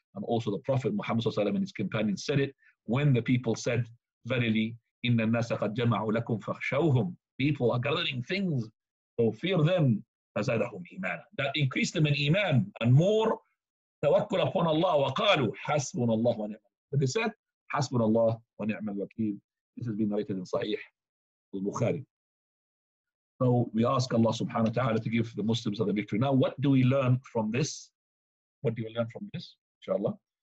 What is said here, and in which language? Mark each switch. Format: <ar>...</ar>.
<en>And also the Prophet Muhammad sallallahu alayhi wa sallam and his companions said it when the people said, verily,</en> <ar>إِنَّ النَّاسَ قَدْ جَمَعُوا لَكُمْ فَخْشَوْهُمْ.</ar> <en>People are gathering things, so fear them.</en> <ar>فَزَادَهُمْ إِيمَانًا.</ar> <en>That increased them in iman and more tawakkul upon Allah.</en> <ar>وَقَالُوا حَسْبُنَ اللَّهُ وَنِعْمَ الْوَكِيلُ.</ar> <en>But they said,</en> <ar>حَسْبُنَ اللَّهُ وَنِعْمَ الْوَكِيلُ.</ar> <en>This has been narrated in Sahih al-Bukhari. So we ask Allah subhanahu wa ta'ala to give the Muslims the victory. Now what do we learn from this? what do you learn from this, inshallah?</en>